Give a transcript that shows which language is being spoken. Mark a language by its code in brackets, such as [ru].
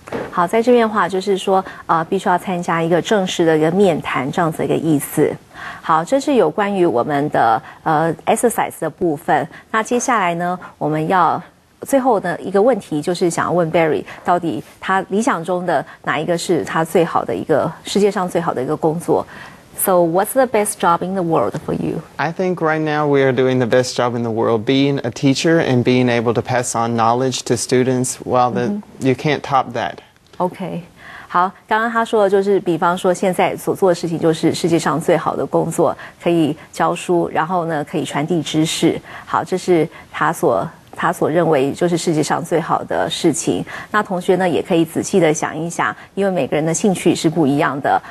[zh] 好，在这边的话就是说必须要参加一个正式的一个面谈这样子一个意思。好，这是有关于我们的exercise 的部分。那接下来呢，我们要最后的一个问题就是想要问 Barry 到底他理想中的哪一个是他最好的一个世界上最好的一个工作。 [en] So what's the best job in the world for you? I think right now we are doing the best job in the world, being a teacher and being able to pass on knowledge to students. Well, you can't top that. Okay. [zh] 好，刚刚他说的就是比方说现在所做的事情就是世界上最好的工作，可以教书，然后呢可以传递知识。好，这是他所认为就是世界上最好的事情。那同学呢也可以仔细的想一想，因为每个人的兴趣是不一样的。